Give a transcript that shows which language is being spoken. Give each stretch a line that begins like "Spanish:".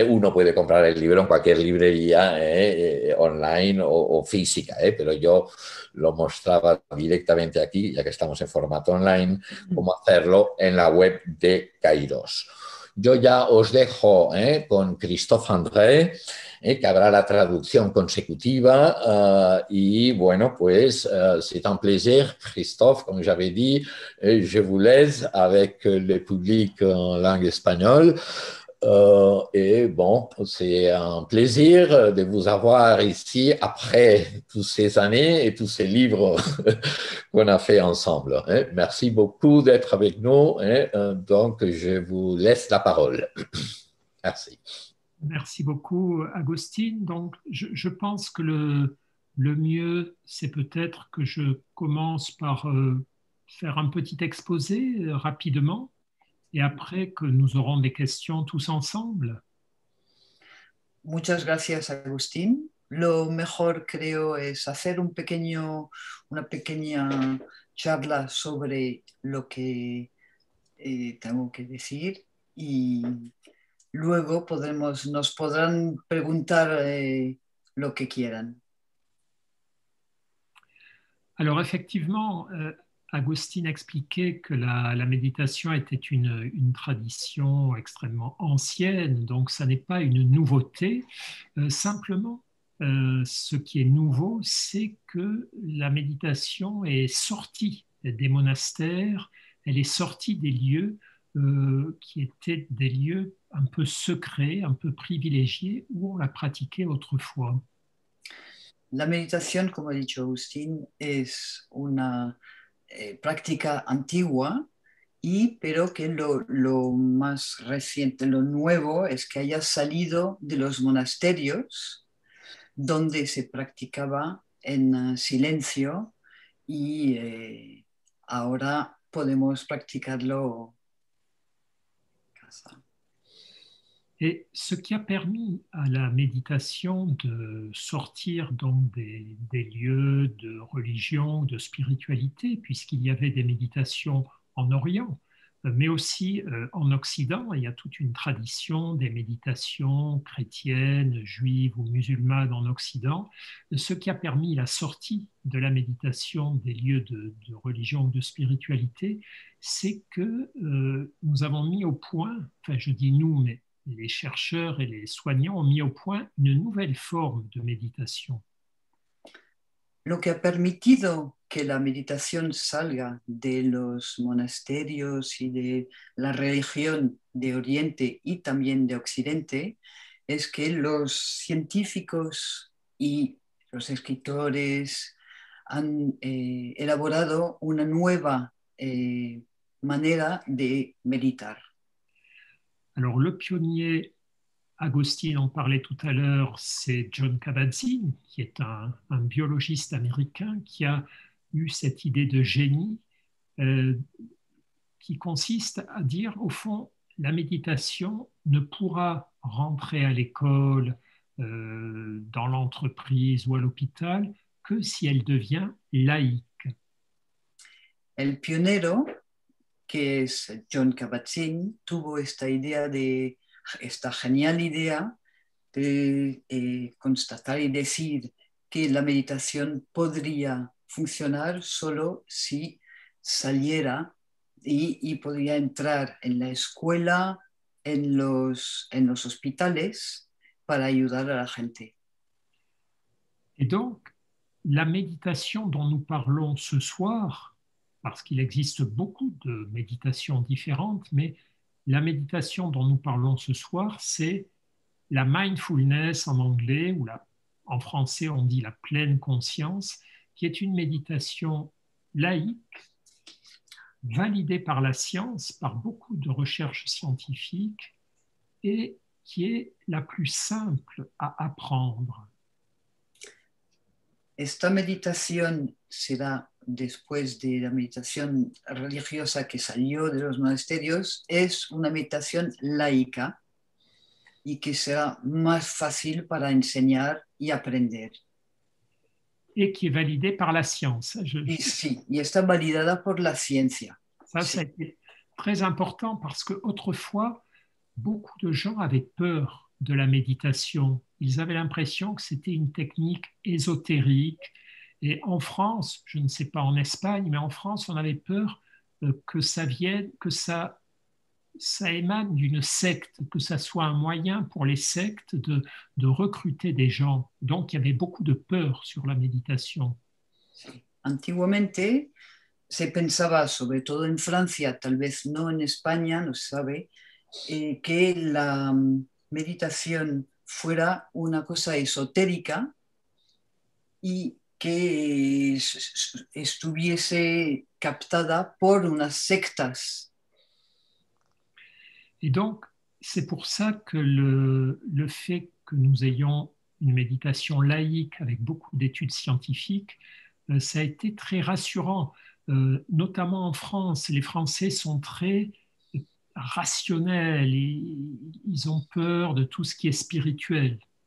Spanish: Uno puede comprar el libro en cualquier librería online o física, pero yo lo mostraba directamente aquí, ya que estamos en formato online, cómo hacerlo en la web de Kairos. Yo ya os dejo con Christoph André, que habrá la traducción consecutiva. Y bueno, pues,
French: c'est un plaisir, Christoph,
Spanish: como ya habéis dicho,
French: je vous laisse avec le public en langue espagnole. Et bon, c'est un plaisir de vous avoir ici après toutes ces années et tous ces livres qu'on a fait ensemble. Merci beaucoup d'être avec nous. Donc, je vous laisse la parole. Merci. Merci beaucoup, Agustin. Donc, je pense que le mieux, c'est peut-être que je commence par faire un petit exposé rapidement et après que nous aurons des questions tous ensemble.
Spanish: Muchas gracias, Agustín. Lo mejor creo es hacer un pequeño, una pequeña charla sobre lo que tengo que decir y luego podremos, nos podrán preguntar lo que quieran.
French: Alors effectivement, Agustin expliquait que la méditation était une tradition extrêmement ancienne, donc ça n'est pas une nouveauté. Simplement, ce qui est nouveau, c'est que la méditation est sortie des monastères, elle est sortie des lieux qui étaient des lieux un peu secrets, un peu privilégiés, où on la pratiquait autrefois.
Spanish: La meditación, como ha dicho Agustín, es una práctica antigua, pero que lo más reciente, lo nuevo, es que haya salido de los monasterios donde se practicaba en silencio y ahora podemos practicarlo en casa.
French: Et ce qui a permis à la méditation de sortir donc des lieux de religion, de spiritualité, puisqu'il y avait des méditations en Orient, mais aussi en Occident, il y a toute une tradition des méditations chrétiennes, juives ou musulmanes en Occident, ce qui a permis la sortie de la méditation des lieux de religion, de spiritualité, c'est que nous avons mis au point, enfin je dis nous, mais les chercheurs et les soignants ont mis au point une nouvelle forme de méditation.
Spanish: Lo que ha permitido que la meditación salga de los monasterios y de la religión de Oriente y también de Occidente es que los científicos y los escritores han elaborado una nueva manera de meditar.
French: Alors le pionnier, Agustín en parlait tout à l'heure, c'est Jon Kabat-Zinn, qui est un biologiste américain, qui a eu cette idée de génie qui consiste à dire, au fond, la méditation ne pourra rentrer à l'école, dans l'entreprise ou à l'hôpital, que si elle devient laïque.
Spanish: El pionero, que es Jon Kabat-Zinn, tuvo esta idea de esta genial idea de constatar y decir que la meditación podría funcionar solo si saliera y podría entrar en la escuela, en los hospitales para ayudar a la gente.
French: Et donc, la méditation dont nous parlons ce soir, parce qu'il existe beaucoup de méditations différentes, mais la méditation dont nous parlons ce soir, c'est la mindfulness en anglais, ou en français on dit la pleine conscience, qui est une méditation laïque, validée par la science, par beaucoup de recherches scientifiques, et qui est la plus simple à apprendre.
Spanish: Esta meditación será después de la meditación religiosa que salió de los monasterios, es una meditación laica y que será más fácil para enseñar y aprender.
French: Et qui est validée par la science.
Spanish: Y sí, y está validada por la ciencia.
French: Ça a été très important parce que autrefois, beaucoup de gens avaient peur de la méditation. Ils avaient l'impression que c'était une technique ésotérique. Et en France, je ne sais pas en Espagne, mais en France, on avait peur que ça vienne, que ça émane d'une secte, que ça soit un moyen pour les sectes de recruter des gens. Donc, il y avait beaucoup de peur sur la méditation.
Spanish: Sí. Antiguamente se pensaba, sobre todo en Francia, tal vez no en España, no se sabe, que la meditación fuera una cosa esotérica y que estuviese captada por unas sectas.
French: Et donc, c'est pour ça que le fait que nous ayons une méditation laïque avec beaucoup d'études scientifiques, ça a été très rassurant. Notamment en France, les Français sont très rationnels, ils ont peur de tout ce qui est spirituel.